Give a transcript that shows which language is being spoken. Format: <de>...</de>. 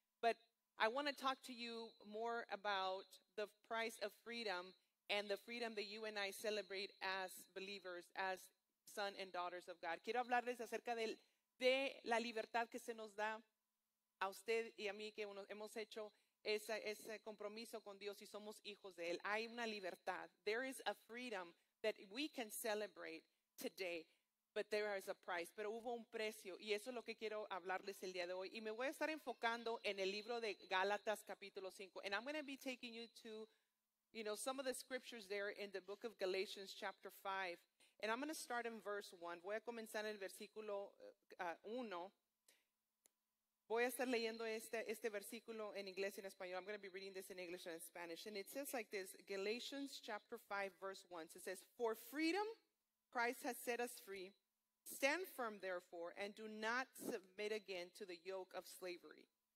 <en>But I want to talk to you more about the price of freedom and the freedom that you and I celebrate as believers, as son and daughters of God.</en> <es>Quiero hablarles acerca de la libertad que se nos da a usted y a mí, que uno, hemos hecho ese compromiso con Dios y somos hijos de Él. Hay una libertad.</es> <en>There is a freedom that we can celebrate today, but there is a price.</en> <es>Pero hubo un precio, y eso es lo que quiero hablarles el día de hoy. Y me voy a estar enfocando en el libro de Gálatas, capítulo 5.</es> <en>And I'm going to be taking you to, you know, some of the scriptures there in the book of Galatians, chapter 5. And I'm going to start in verse 1.</en> <es>Voy a comenzar en el versículo 1. Voy a estar leyendo este versículo en inglés y en español.</es> <en>I'm going to be reading this in English and in Spanish. And it says like this, Galatians chapter 5, verse 1. So it says, for freedom, Christ has set us free. Stand firm, therefore, and do not submit again to the yoke of slavery.</en>